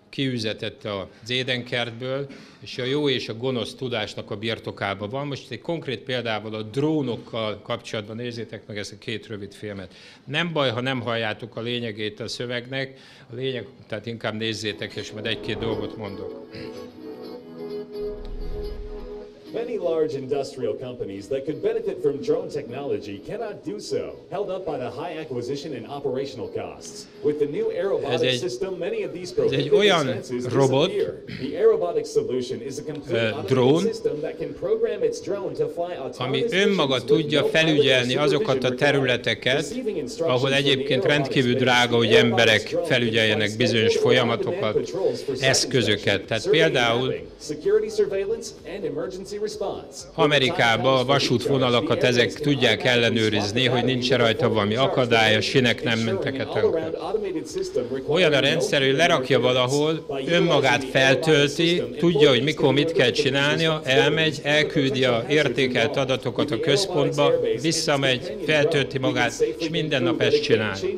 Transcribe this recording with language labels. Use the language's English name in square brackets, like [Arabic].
[Hungarian] kiüzetett az Édenkertből, és a jó és a gonosz tudásnak a birtokában van. Most egy konkrét példával a drónokkal kapcsolatban nézzétek meg ezt a két rövid filmet. Nem baj, ha nem halljátok a lényegét a szövegnek, a lényeg, tehát inkább nézzétek, és majd egy-két dolgot mondok. [English] Many large industrial companies that could benefit from drone technology cannot do so, held up by the high acquisition and operational costs. With the new aerobotic system, many of these prohibitive expenses disappear. The aerobotic solution is a complete drone system that can program its drone to fly autonomously. [Hungarian] Ami önmaga tudja felügyelni azokat a területeket, ahol egyébként rendkívül drága, hogy emberek felügyeljenek bizonyos folyamatokat, eszközöket. Tehát például [English] security surveillance and emergency [Hungarian] Amerikában a vasútvonalakat ezek tudják ellenőrizni, hogy nincs-e rajta valami akadály, a sinek nem mentek-e tönkre. Olyan a rendszer, hogy lerakja valahol, önmagát feltölti, tudja, hogy mikor mit kell csinálnia, elmegy, elküldi a értékelt adatokat a központba, visszamegy, feltölti magát, és minden nap ezt csinál.